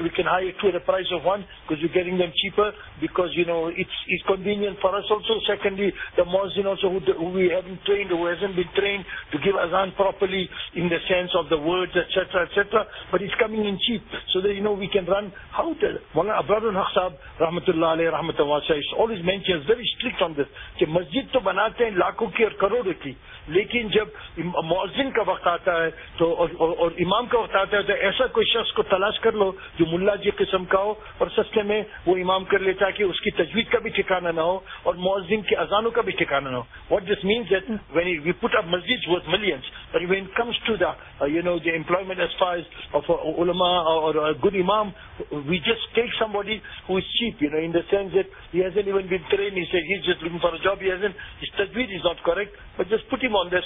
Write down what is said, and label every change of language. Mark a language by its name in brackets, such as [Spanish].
[English] We can hire two at the price of one because we're getting them cheaper because, you know, it's convenient for us also. Secondly, the muazzin also who we haven't trained, who hasn't been trained to give azan properly in the sense of the words, etc., etc., but it's coming in cheap so that, you know, we can run. How to, well, brother Haq Sahab, rahmatullah alayhi, rahmatullah wasa, he's always mentioned, very strict on this, that [Urdu] masjid to banate hain lakhon ki aur karodon ki, lekin جب مؤذن کا وقت آتا ہے تو اور امام کا وقت آتا ہے تو ایسا کوئی شخص کو تلاش کر لو جو ملا جی قسم کا ہو اور سستے میں وہ امام کر لیتا کہ اس کی تجوید کا بھی ٹھکانہ نہ ہو اور مؤذن کی اذانوں کا بھی ٹھکانہ نہ ہو. [English] What this means that when we put up masjids worth millions, but when it comes to the you know, the employment as far as of a ulama or a good imam, we just take somebody who is cheap, you know, in the sense that he hasn't even been trained. He said he's just looking for a job, he hasn't, his tajweed is not correct, but just put him on there.